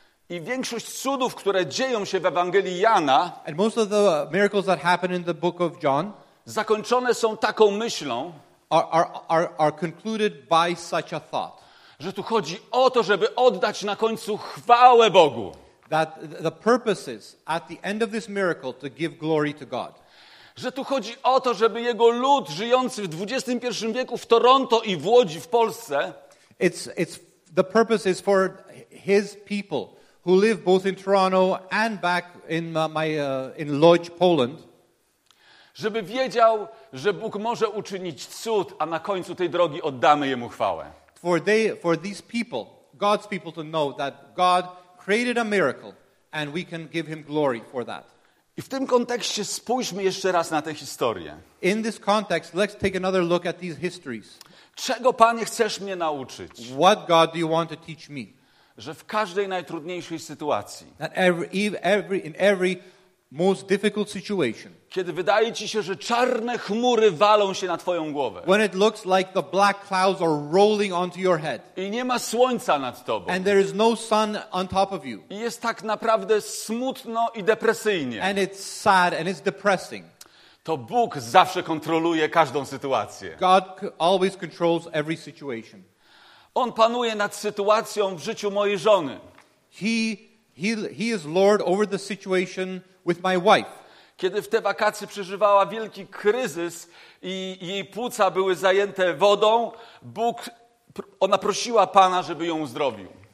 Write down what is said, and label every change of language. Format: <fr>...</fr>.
<pl>I większość cudów, które dzieją się w Ewangelii Jana,</pl> <en>and most of the miracles that happen in the book of John,</en> <pl>zakończone są taką myślą,</pl> <en>are concluded by such a thought,</en> <pl>że tu chodzi o to, żeby oddać na końcu chwałę Bogu.</pl> <en>That the purpose is at the end of this miracle to give glory to God.</en> <pl>Że tu chodzi o to, żeby jego lud żyjący w XXI wieku w Toronto i w Łodzi w Polsce,</pl> <en>it's the purpose is for his people who live both in Toronto and back in in Łódź, Poland.</en> <pl>Żeby wiedział, że Bóg może uczynić cud, a na końcu tej drogi oddamy Jemu chwałę.</pl> <en>For these people, God's people to know that God created a miracle and we can give Him glory for that.</en> <pl>I w tym kontekście spójrzmy jeszcze raz na tę historię.</pl> <en>In this context, let's take another look at these histories.</en> <pl>Czego, Panie, chcesz mnie nauczyć?</pl> <en>What God do you want to teach me?</en> <pl>Że w każdej najtrudniejszej sytuacji,</pl> <en>that in every most difficult situation,</en> <pl>kiedy wydaje ci się, że czarne chmury walą się na twoją głowę,</pl> <en>when it looks like the black clouds are rolling onto your head,</en> <pl>i nie ma słońca nad tobą,</pl> <en>and there is no sun on top of you,</en> <pl>i jest tak naprawdę smutno i depresyjnie,</pl> <en>and it's sad and it's depressing,</en> <pl>to Bóg zawsze kontroluje każdą sytuację.</pl> <en>God always controls every situation.</en> <pl>On panuje nad sytuacją w życiu mojej żony.</pl> <en>He is Lord over the situation with my wife.</en> <pl>Kiedy w te wakacje przeżywała wielki kryzys i jej płuca były zajęte wodą, Bóg, ona prosiła Pana, żeby ją uzdrowił.</pl>